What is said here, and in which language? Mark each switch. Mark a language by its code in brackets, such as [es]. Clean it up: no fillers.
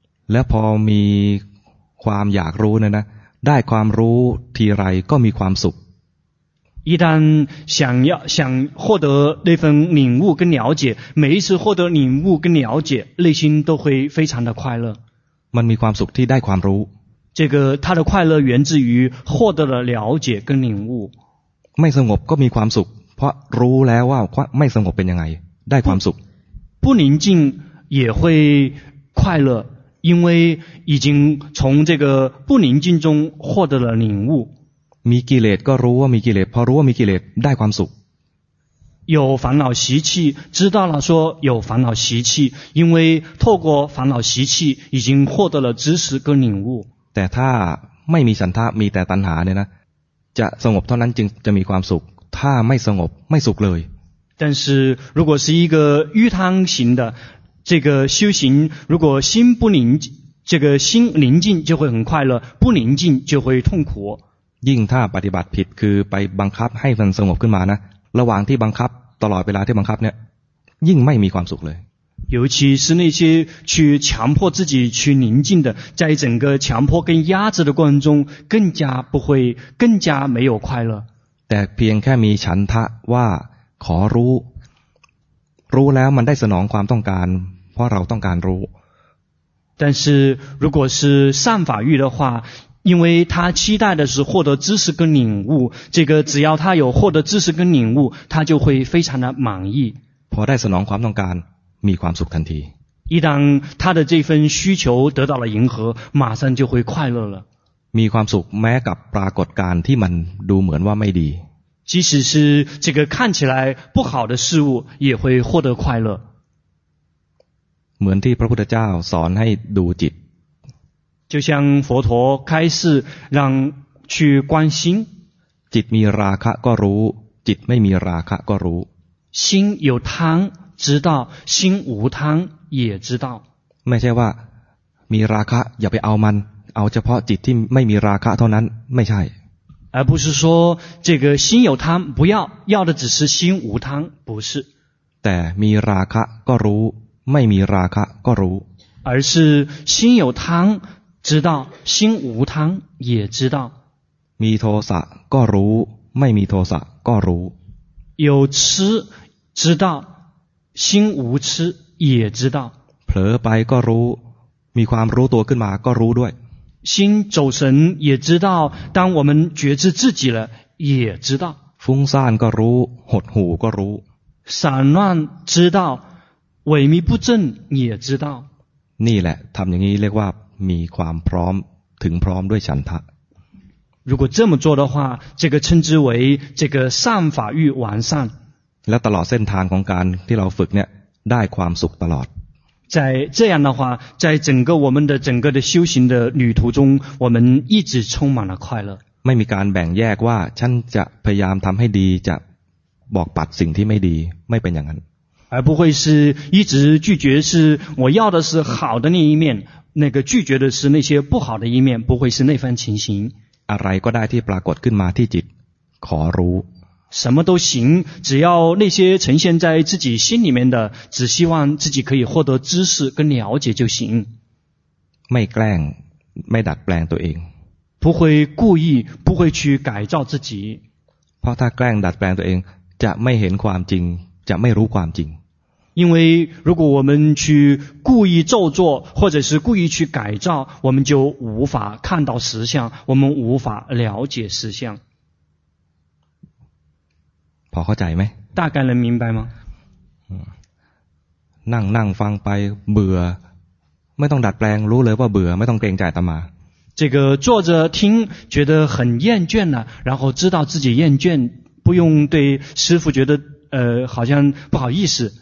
[th] และพอมีความอยากรู้นะได้ความรู้ทีไรก็มีความสุข [zh] 一旦想获得那份领悟跟了解，每一次获得领悟跟了解，内心都会非常的快乐。 [th] มันมีความสุขที่ได้ความรู้。 [zh] 这个他的快乐源自于获得了了解跟领悟。 [th] ไม่สงบก็มีความสุขเพราะรู้แล้วว่าไม่สงบเป็นยังไงได้ความสุข。 [zh] 不宁静也会快乐，因为已经从这个不宁静中获得了领悟。 [th] มีกิเลสก็รู้ว่ามีกิเลสพอรู้ว่ามีกิเลสได้ความสุข [zh] 有烦恼习气知道了说有烦恼习气因为透过烦恼习气已经获得了知识跟领悟 [th] แต่ถ้าไม่มีฉันทะมีแต่ตัณหาเนี่ยนะจะสงบเท่านั้นจึงจะมีความสุขถ้าไม่สงบไม่สุขเลย [zh] 但是如果是一个欲贪型的这个修行如果心不宁这个心宁静就会很快乐不宁静就会痛苦 [th] ยิ่งถ้าปฏิบัติผิดคือไปบังคับให้มันสงบขึ้นมานะระหว่างที่บังคับตลอดเวลาที่บังคับเนี่ยยิ่งไม่มีความสุขเลย [zh] 尤其是那些去强迫自己去宁静的在整个强迫跟压制的过程中更加不会更加没有快乐 [th] แต่เพียงแค่มีฉันทะว่าขอรู้รู้แล้วมันได้สนองความต้องการเพราะเราต้องการรู้ [zh] 但是如果是善法欲的话因为他期待的是获得知识跟领悟这个只要他有获得知识跟领悟他就会非常的满意 [th] พอได้สนองความต้องการมีความสุขทันที [zh] 一旦他的这份需求得到了迎合马上就会快乐了 [th] มีความสุขแม้กับปรากฏการณ์ที่มันดูเหมือนว่าไม่ดี [zh] 即使是这个看起来不好的事物也会获得快乐 [th] เหมือนที่พระพุทธเจ้าสอนให้ดูจิต [zh] 就像佛陀开示让去观心 [th] จิตมีราคะก็รู้จิตไม่มีราคะก็รู้ [zh] 心有贪知道心无贪也知道 [th] ไม่ใช่ว่ามีราคะอย่าไปเอามันเอาเฉพาะจิตที่ไม่มีราคะเท่านั้นไม่ใช่ [zh] 而不是说这个心有贪不要要的只是心无贪不是 [th] แต่มีราคะก็รู้ไม่มีราคะก็รู้ [zh] 而是心有贪知道心无贪也知道 [th] มีโทสะก็รู้ไม่มีโทสะก็รู้ [zh] 有吃知道心无吃也知道 [th] เผลอไปก็รู้มีความรู้ตัวขึ้นมาก็รู้ด้วย [zh] 心走神也知道当我们觉知自己了也知道 [th] ฟุ้งซ่านก็รู้หดหู่ก็รู้ [zh] 散乱知道萎靡不振也知道 [th] นี่แหละทำอย่างนี้เรียกว่ามีความพร้อมถึงพร้อมด้วยฉันทะ [zh] 如果这么做的话这个称之为这个善法欲完善 [th] และตลอดเส้นทางของการที่เราฝึกเนี่ยได้ความสุขตลอด [zh] 在这样的话在整个我们的整个的修行的旅途中我们一直充满了快乐 [th] ไม่มีการแบ่งแยกว่าฉันจะพยายามทำให้ดีจะบอกปัดสิ่งที่ไม่ดีไม่เป็นอย่างนั้น [zh] 而不会是一直拒绝是我要的是好的那一面那个拒绝的是那些不好的一面不会是那番情形 [th] อะไรก็ได้ที่ปรากฏขึ้นมาที่จิตขอรู้ [zh] 什么都行只要那些呈现在自己心里面的只希望自己可以获得知识跟了解就行 [th] ไม่แกล้งไม่ดัดแปลงตัวเอง [zh] 不会故意不会去改造自己 [th] เพราะถ้าแกล้งดัดแปลงตัวเองจะไม่เห็นความจริงจะไม่รู้ความจริง [zh] 因为如果我们去故意造作或者是故意去改造我们就无法看到实相我们无法了解实相 [th] พอเข้าใจไหม [zh] 大概能明白吗 [th] นั่งนั่งฟังไปเบื่อไม่ต้องดัดแปลงรู้เลยว่าเบื่อไม่ต้องเกรงใจตามมา [zh] 这个坐着听觉得很厌倦了然后知道自己厌倦不用对师父觉得好像不好意思